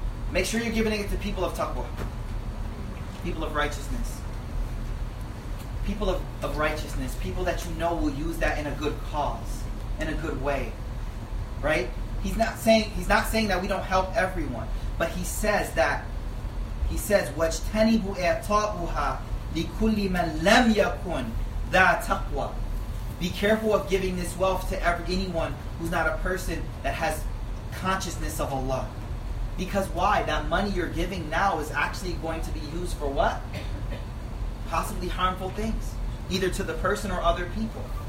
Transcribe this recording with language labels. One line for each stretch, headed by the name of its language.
English: Make sure you're giving it to people of taqwa. People of righteousness. People of righteousness. People that you know will use that in a good cause. In a good way. Right? He's not saying that we don't help everyone. But he says that, he says,
Arabic: وَاجْتَنِبُوا إِعْطَاءُهَا لِكُلِّ مَنْ لَمْ يَكُنْ ذَا تَقْوَى.
English: Be careful of giving this wealth to anyone who's not a person that has consciousness of Allah. Because why? That money you're giving now is actually going to be used for what? Possibly harmful things. Either to the person or other people.